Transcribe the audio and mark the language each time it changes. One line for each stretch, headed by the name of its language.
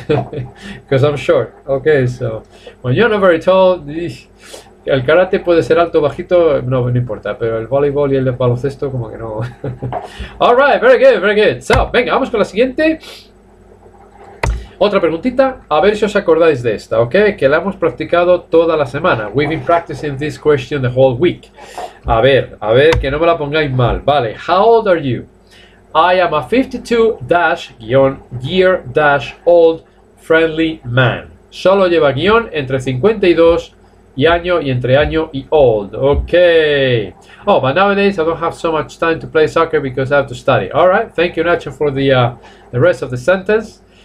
English: Because I'm short. Okay, so. When you're not very tall.
Spanish: El karate puede ser alto o bajito, no importa, pero el voleibol y el baloncesto como que no.
English: All right, very good, very good.
Spanish: So, venga, vamos con la siguiente. Otra preguntita, a ver si os acordáis de esta, ¿ok? Que la hemos practicado toda la semana.
English: We've been practicing this question the whole week.
Spanish: A ver, que no me la pongáis mal. Vale,
English: how old are you? I am a 52-year-old friendly man.
Spanish: Solo lleva guión entre 52 y año y entre año y old.
English: Ok. Oh, but nowadays I don't have so much time to play soccer because I have to study. All right. Thank you, Nacho, for the rest of the sentence.